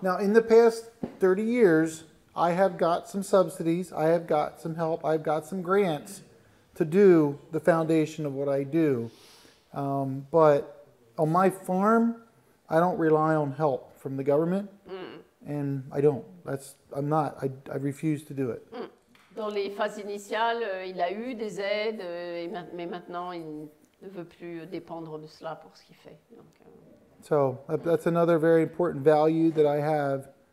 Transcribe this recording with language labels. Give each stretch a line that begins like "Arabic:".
English: Now, in the past 30 years, I have got some subsidies, I have got some help, I've got some grants to do the foundation of what I do. But on my farm, I don't rely on help from the government, and I don't. I refuse to do it. Mm.
French: Dans les phases initiales, il a eu des aides, mais maintenant il ne veut plus dépendre de cela pour ce qu'il fait. Donc,
English: So that's another very important value that I have.